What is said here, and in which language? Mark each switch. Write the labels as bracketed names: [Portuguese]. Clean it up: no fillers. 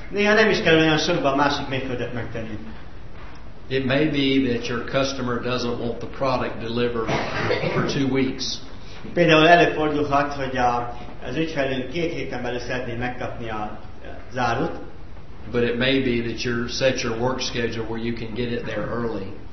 [Hungarian] Néha nem is kell olyan sokba a másik mérföldet megtenni. [English] It may be that your customer doesn't want the product delivered for 2 weeks. [Hungarian] Például előfordulhat, hogy az ügyfelünk 2 héten belül szeretné megkapni a zárut. [English] But it may be that you set your work schedule where you can get it there early.